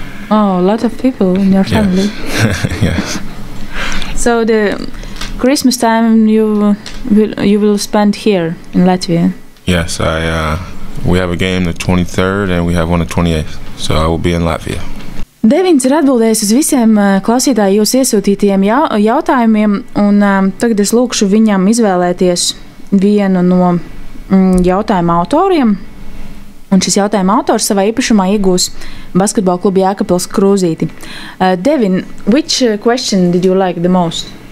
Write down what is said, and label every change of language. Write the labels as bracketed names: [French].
[English] Oh, a lot of people in your family. Yes. So the Christmas time you will spend here in Latvia? Yes, we have a game the 23rd and we have one the 28th, so I will be in Latvia. [Latvian] Devins ir atbildējis uz visiem klausītāju jūs iesūtītajiem jautājumiem, un tagad es lūkšu viņam izvēlēties vienu no jautājuma autoriem. Un šis jautājuma autors savā īpašumā iegūs basketbola klubu Jēkabpils Krūzīti. [English] Devin, which question did you like the most?